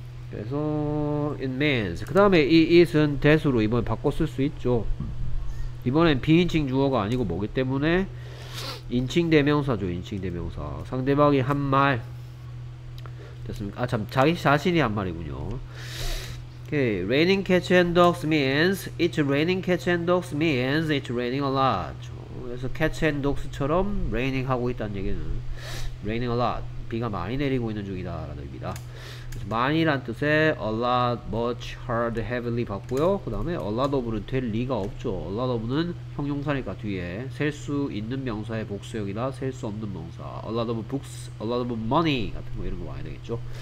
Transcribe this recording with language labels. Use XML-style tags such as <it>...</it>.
<ko>그래서</ko> <en>it means</en> <ko>그 다음에 이 it은 that으로 이번에 바꿔 쓸수 있죠. 이번엔 비인칭 주어가 아니고 뭐기 때문에 인칭 대명사죠. 인칭 대명사. 상대방이 한 말. 됐습니까? 아, 참 자기 자신이 한 말이군요. 오케이.</ko> <en>Raining cats and dogs means it's raining cats and dogs means it's raining a lot.</en> <ko>그래서</ko> <en>cats and dogs</en> <ko>처럼 raining 하고 있다는 얘기는</ko> <en>raining a lot.</en> <ko>비가 많이 내리고 있는 중이다라는 의미다. 그래서 많이란 뜻에</ko> <en>a lot, much, hard, heavily</en> <ko>봤고요. 그 다음에</ko> <en>a lot of</en> <ko>는 될 리가 없죠.</ko> <en>a lot of</en> <ko>는 형용사니까 뒤에 셀수 있는 명사의 복수형이나 셀수 없는 명사.</ko> <en>a lot of books, a lot of money</en> <ko>같은 거 이런 거 와야 되겠죠.</ko>